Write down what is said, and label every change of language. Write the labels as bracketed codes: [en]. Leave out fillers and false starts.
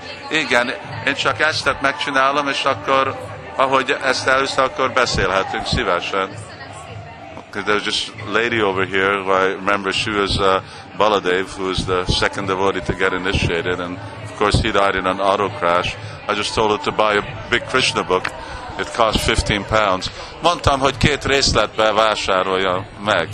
[hu] Igen, én csak ezt megcsinálom, és akkor, ahogy ezt először, akkor beszélhetünk szívesen. [en] There's this lady over here, who I remember, she was Baladev, who is the second devotee to get initiated, and of course he died in an auto crash. I just told her to buy a big Krishna book. It cost £15. [hu] Mondtam, hogy két részletbe vásárolja meg.